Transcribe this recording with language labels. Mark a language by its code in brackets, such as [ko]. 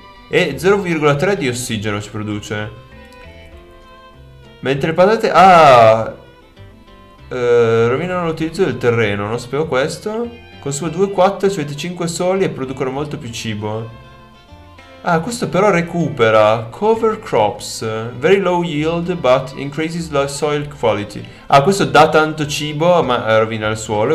[it] E 0,3 di ossigeno ci produce. Mentre le patate... Ah! Rovinano l'utilizzo del terreno, non sapevo questo. Consuma 2,4, ci mette 5 soli e producono molto più cibo. Ah, questo però recupera. Cover crops. [en] Very low yield, but increases the soil quality. [it] Ah, questo dà tanto cibo, ma rovina il suolo.